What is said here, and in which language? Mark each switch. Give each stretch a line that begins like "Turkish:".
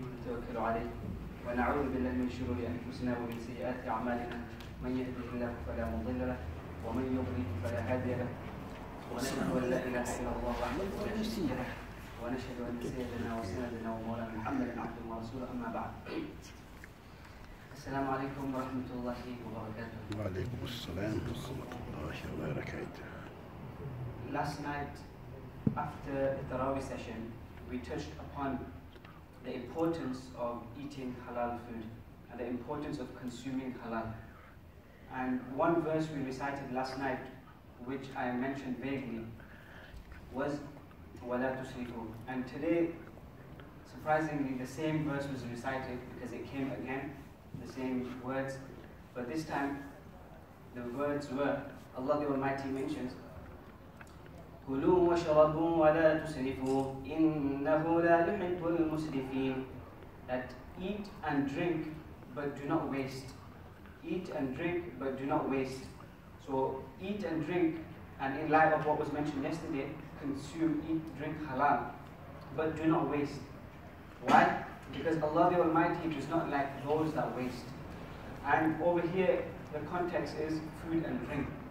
Arabic: نتوكل عليه ونعوذ بالله من شرور أنفسنا ومن سيئات أعمالنا من يهده الله فلا مضل له ومن يضلل فلا هادي له ونشهد أن لا إله إلا الله وحده لا شريك له ونشهد أن سيدنا وسندنا ومولانا محمدا عبده ورسوله أما بعد السلام عليكم ورحمة الله وبركاته وعليكم السلام ورحمة الله وبركاته
English: Last night after the Tarawih session we touched upon the importance of eating halal food and the importance of consuming halal. And one verse we recited last night, which I mentioned vaguely, was
Arabic: وَلَا تُسْرِفُوا.
English: And today, surprisingly, the same verse was recited because it came again, the same words. But this time, the words were, Allah the Almighty mentions,
Arabic: كلوا واشربوا ولا تسرفوا إنه لا يحب المسرفين.
English: That eat and drink but do not waste. Eat and drink but do not waste. So eat and drink, and in light of what was mentioned yesterday, consume, eat, drink halal, but do not waste. Why? Because Allah the Almighty does not like those that waste. And over here, the context is food and drink.